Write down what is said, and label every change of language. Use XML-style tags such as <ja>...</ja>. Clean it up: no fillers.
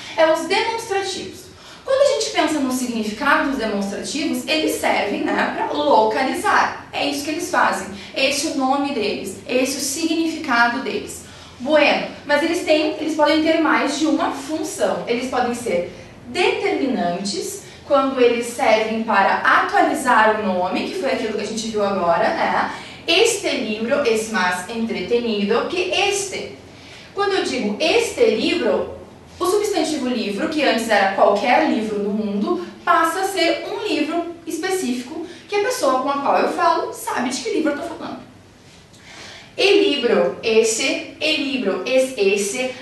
<pt>É os demonstrativos. Quando a gente pensa no significado dos demonstrativos, eles servem, né, para localizar. É isso que eles fazem. Esse é o nome deles, esse é o significado deles. Bueno, mas eles podem ter mais de uma função. Eles podem ser determinantes, quando eles servem para atualizar o nome, que foi aquilo que a gente viu agora, né?</pt> <es>Este libro es más entretenido que este.</es> <pt>Quando eu digo</pt> <es>este libro,</es> <pt>o substantivo livro, que antes era qualquer livro do mundo, passa a ser um livro específico que a pessoa com a qual eu falo sabe de que livro eu estou falando.</pt> <es>El libro es ese.</es>